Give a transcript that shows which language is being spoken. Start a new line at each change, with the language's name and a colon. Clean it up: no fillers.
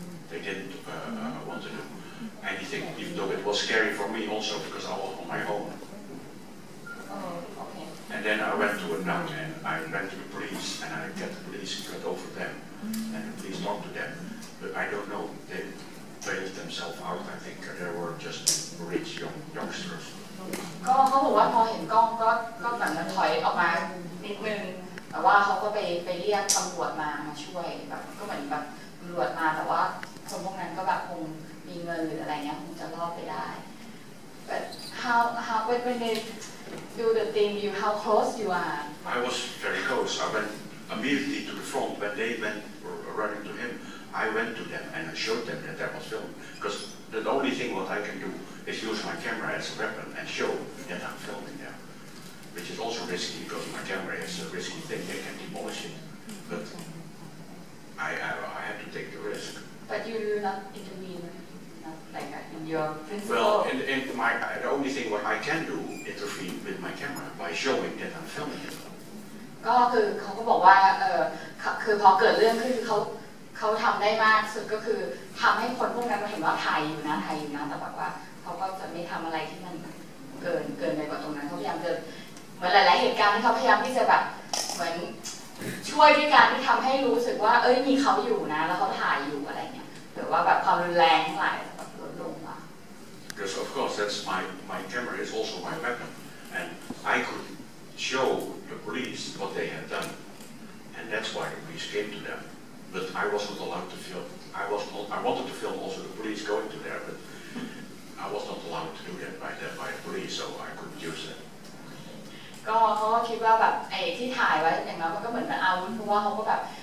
English: They didn't want to do anything, even though it was scary for me also because I was on my own. Oh, okay. And then I went to a nun and I went to the police and I get the police cut over them and the police talked to them. But I don't know, they bailed themselves out, I think. They were just rich youngsters.
Thai: ก็เขาบอกว่าพอเห็นกล้องก็เหมือนจะถอยออกมานิดนึงแต่ว่าเขาก็ไปเรียกตำรวจมาช่วยแบบก็เหมือนแบบตำรวจมาแต่ว่าคนพวกนั้นก็แบบคงมีเงินหรืออะไรเงี้ยคงจะรอดไปได้
English: but how when they do the thing you how close you are I was very close I went immediately to the front when they went running to him I went to them and I showed them that was filmed because the only thing what I can doIs use my camera as a weapon and show that I'm filming them, which is also risky because my camera is a risky thing; they can demolish it. But I have to take the risk. But you do not intervene, not like in your principle. Well, in my the only thing what I can do intervene with my camera by showing that I'm filming them.
Thai: ก็คือเขาก็บอกว่าคือพอเกิดเรื่องขึ้นเขาทำได้มากสุดก็คือทำให้คนพวกนั้นมาเห็นว่าไทยอยู่นะแต่แบบว่าเขาก็จะไม่ทำอะไรที่มันเกินไปกว่าตรงนั้นเขาพยายามจะเหมือนหลายๆเหตุการณ์ที่เขาพยายามที่จะแบบเหมือนช่วยด้วยการที่ทำให้รู้สึกว่าเอ้ยมีเขาอยู่นะแล้วเขาถ่ายอยู่อะไรเงี้ยหรือว่าแบบความรุนแรงทั้งหลายแบบลดลงอ่ะ
English: Because of course that's my camera is also my weapon and I could show the police what they had done and that's why the police came to them but I wasn't allowed to film I wanted to film also the police going to there butI was not allowed to do that by the police, so I couldn't use it.
Thai: ก็เขาคิดว่าแบบไอ้ที่ถ่ายไว้อย่างนั้นมันก็เหมือนเป็นอาวุธเพราะว่าเขาก็แบบ